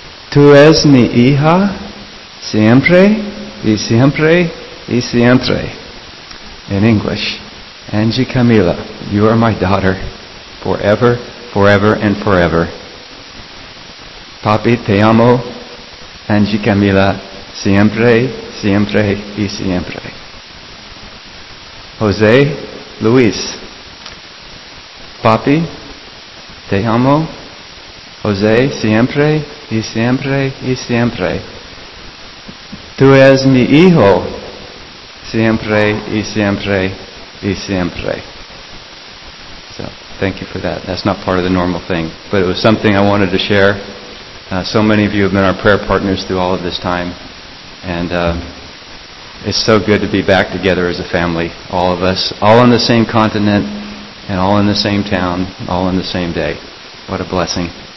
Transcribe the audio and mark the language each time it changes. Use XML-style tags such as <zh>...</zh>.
<es>Tú eres mi hija siempre y siempre y siempre.</es> <en>In English, Angie Camila, you are my daughter forever, forever, and forever.</en> <es>Papi, te amo, Angie Camila, siempre, siempre y siempre. José Luis, papi, te amo, José, siempre y siempre y siempre. Tú eres mi hijo, siempre y siempre y siempre.</es> <en>So, thank you for that. That's not part of the normal thing, but it was something I wanted to share. So many of you have been our prayer partners through all of this time, and it's so good to be back together as a family, all of us, all on the same continent, and all in the same town, all in the same day. What a blessing.</en>